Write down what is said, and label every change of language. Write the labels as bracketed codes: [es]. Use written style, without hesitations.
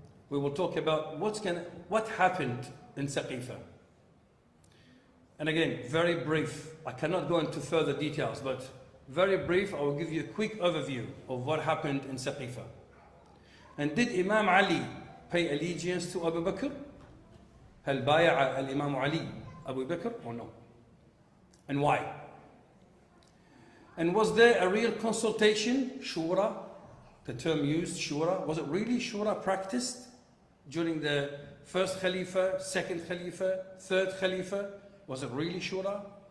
[en] We will talk about what happened in Saqifa. And again, very brief. I cannot go into further details, but very brief, I will give you a quick overview of what happened in Saqifa. And did Imam Ali pay allegiance to Abu Bakr? [ar] هل بايع الإمام علي أبو بكر [en] or no? And why? And was there a real consultation, shura, the term used, shura? Was it really shura practiced during the first khalifa, second khalifa, third khalifa? Was it really shura?